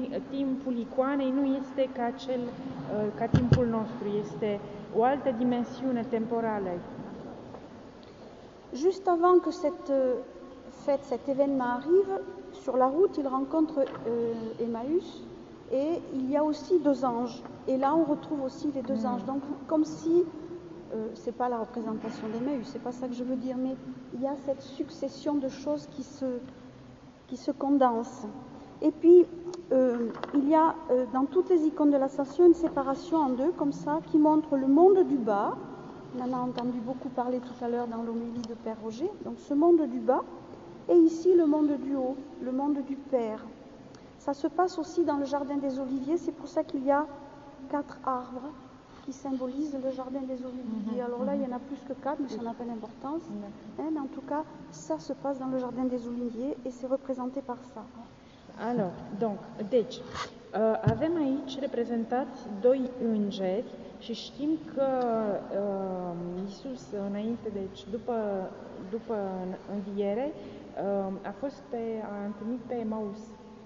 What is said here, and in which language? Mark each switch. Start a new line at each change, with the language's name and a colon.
Romanian: Timpul icoanei nu este ca timpul nostru, este o altă dimensiune temporală.
French: Juste avant que cette fête, cet événement arrive, sur la route, il rencontre Emmaüs et il y a aussi deux anges. Et là, on retrouve aussi les deux anges. Donc, comme si c'est pas la représentation d'Emmaüs, c'est pas ça que je veux dire, mais il y a cette succession de choses qui se condensent. Et puis, il y a dans toutes les icônes de l'Ascension une séparation en deux, comme ça, qui montre le monde du bas. On en a entendu beaucoup parler tout à l'heure dans l'homélie de Père Roger. Donc, ce monde du bas, et ici, le monde du haut, le monde du Père. Ça se passe aussi dans le jardin des Oliviers, c'est pour ça qu'il y a quatre arbres qui symbolise le jardin des Oliviers. Mm-hmm. Alors là, il y en a plus que quatre, mais ça n'a pas d'importance. Mm-hmm. Mais en tout cas, ça se passe dans le jardin des Oliviers et c'est représenté par ça. Alors, donc,
Romanian: deci, avem aici reprezentați doi îngeri și știm că Iisus, înainte, deci, după înviere, a fost a întâlnit pe Emaus.